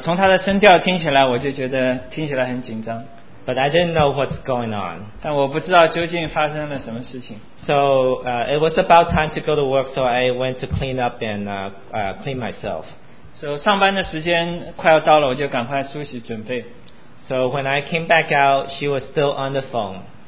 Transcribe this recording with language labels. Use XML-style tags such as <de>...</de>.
<zh>从她的声调听起来，我就觉得听起来很紧张。</zh> <en>But I didn't know what's going on.</en> <zh>但我不知道究竟发生了什么事情。</zh> <en>So it was about time to go to work, so I went to clean up and clean myself.</en> <zh>So 上班的时间快要到了，我就赶快梳洗准备。</zh> <en>So when I came back out, she was still on the phone.</en>